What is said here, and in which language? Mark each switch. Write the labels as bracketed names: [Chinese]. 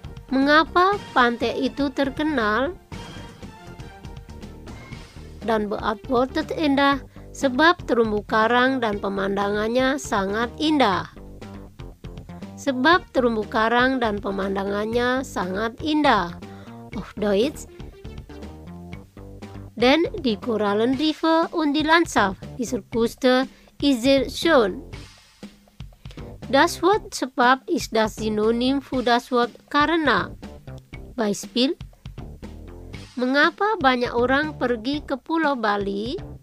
[Indonesian] Mengapa pantai itu terkenal dan beratwater indah? Sebab terumbu karang dan pemandangannya sangat indah. [German] Oh, Deutsch. Denn die Korallenriffe und die Landschaft dieser Küste ist sehr schön. Das Wort sebab ist das Synonym für das Wort karena. Beispiel. [Indonesian] Mengapa banyak orang pergi ke Pulau Bali?